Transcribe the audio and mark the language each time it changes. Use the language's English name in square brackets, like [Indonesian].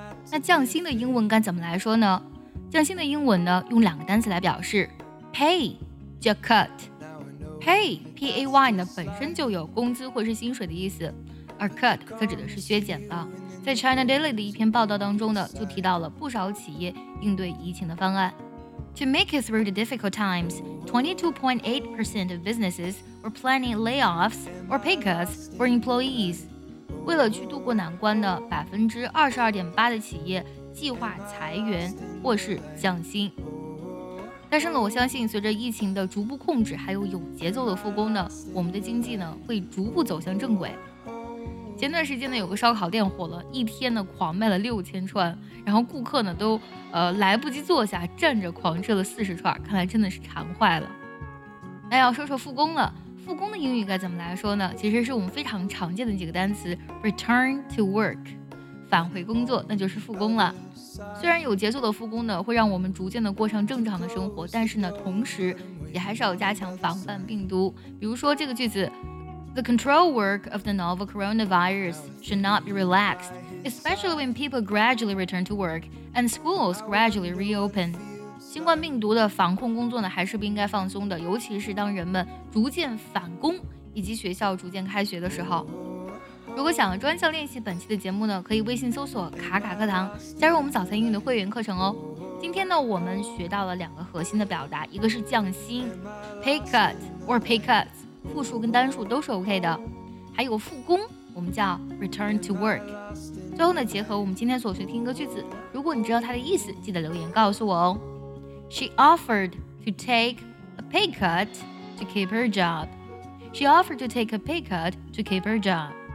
[Chinese] 那降薪的英文该怎么来说呢？降薪的英文呢用两个单词来表示， pay 叫 cut。 pay P-A-Y 呢本身就有工资或是薪水的意思，而 cut 则指的是削减了。在 China Daily 的一篇报道当中呢，就提到了不少企业应对疫情的方案。 [English] To make it through the difficult times, 22.8% of businesses were planning layoffs or pay cuts for employees. [Chinese] 为了去度过难关呢，22.8%的企业计划裁员或是降薪。但是呢，我相信随着疫情的逐步控制还有有节奏的复工呢，我们的经济呢会逐步走向正轨。前段时间呢，有个烧烤店火了，一天呢狂卖了6000串，然后顾客呢都来不及坐下，站着狂吃了40串，看来真的是馋坏了。那要说说复工了，复工的英语该怎么来说呢？其实是我们非常常见的几个单词 ， [English] return to work， [Chinese] 返回工作，那就是复工了。虽然有节奏的复工呢，会让我们逐渐的过上正常的生活，但是呢，同时也还是要加强防范病毒。比如说这个句子。 [English] The control work of the novel coronavirus should not be relaxed, especially when people gradually return to work and schools gradually reopen. [Chinese] 新冠病毒的防控工作呢，还是不应该放松的，尤其是当人们逐渐返工以及学校逐渐开学的时候。如果想专项练习本期的节目呢，可以微信搜索卡卡课堂，加入我们早餐英语的会员课程哦。今天呢，我们学到了两个核心的表达，一个是降薪 [English] pay cut or pay cuts。 [Chinese] 复数跟单数都是 OK 的，还有复工我们叫 return to work。最后呢，结合我们今天所学听歌句子，如果你知道它的意思记得留言告诉我哦。 [English] She offered to take a pay cut to keep her job. She offered to take a pay cut to keep her job.